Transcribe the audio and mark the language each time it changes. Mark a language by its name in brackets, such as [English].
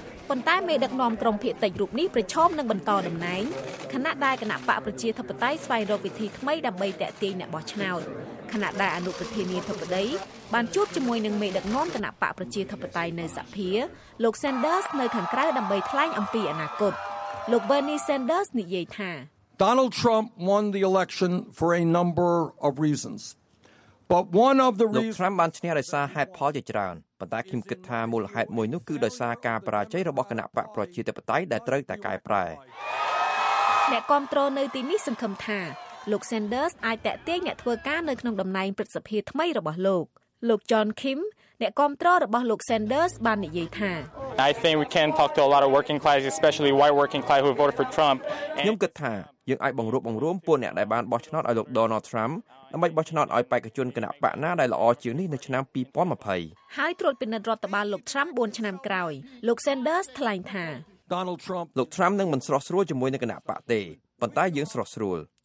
[Khmer] ប៉ុន្តែមេដឹកនាំក្រុមភៀសតិចរូបនេះប្រឈមនឹងបន្តដំណែងគណៈដែរគណៈបកប្រជាធិបតេយ្យស្វែងរកវិធីថ្មីដើម្បីតេទៀងអ្នកបោះឆ្នោតគណៈដែរអនុប្រធានាធិបតីបានជួបជាមួយនឹងមេដឹកនាំគណៈបកប្រជាធិបតេយ្យនៅសភាលោក Sanders នៅខាងក្រៅដើម្បីថ្លែងអំពីអនាគតលោក Bernie Sanders និយាយថា [English] Donald Trump won the election for a number of reasons but one of the reasons [Khmer] លោក Trump បានឈ្នះដោយសារហេតុផលជាច្រើនប៉ុន្តែខ្ញុំគិតថាមូលហេតុមួយនោះគឺដោយសារការបរាជ័យរបស់គណៈបកប្រជាធិបតេយ្យដែលត្រូវតែកែប្រែ អ្នកគ្រប់គ្រងនៅទីនេះសង្ឃឹមថា លោក Sanders អាចតែកទៀងអ្នកធ្វើការនៅក្នុងតំណែងប្រតិភិថ្មីរបស់លោកលោក John Kim អ្នកគាំទ្ររបស់លោក Sanders បាននិយាយថា [English] I think we can talk to a lot of working class especially white working class who voted for Trump [Khmer] ខ្ញុំគិតថាយើងអាចបង្រួបបង្រួមពួកអ្នកដែលបានបោះឆ្នោតឲ្យលោក Donald Trump ដើម្បីបោះឆ្នោតឲ្យបេក្ខជនគណៈបកណាដែលល្អជាងនេះនៅឆ្នាំ2020 ហើយត្រួតពិនិត្យរដ្ឋបាលលោក Trump 4ឆ្នាំក្រោយលោក Sanders ថ្លែងថា [English] Donald Trump [Khmer] លោក Trump នឹងមិនស្រស់ស្រួលជាមួយនឹងគណៈបកទេប៉ុន្តែយើងស្រស់ស្រួល